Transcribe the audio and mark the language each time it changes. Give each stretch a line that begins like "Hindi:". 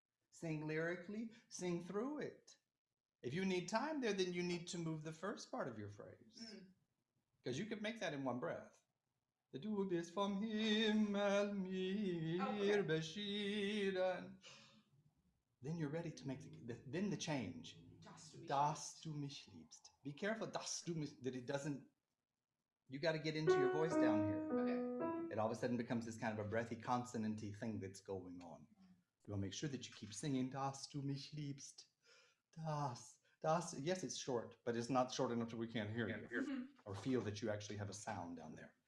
English: Sing lyrically, sing through it. If you need time there, then you need to move the first part of your phrase. Mm. Because you could make that in one breath.
German: The du bist vom Himmel mir beschieden.
English: Then you're ready to make the change.
German: Das du mich liebst.
English: Be careful that it doesn't. You got to get into your voice down here. Okay. It all of a sudden becomes this kind of a breathy, consonanty thing that's going on. You want to make sure that you keep singing.
German: Das du mich liebst. Das,
English: yes, it's short, but it's not short enough that we can't hear you or feel that you actually have a sound down there.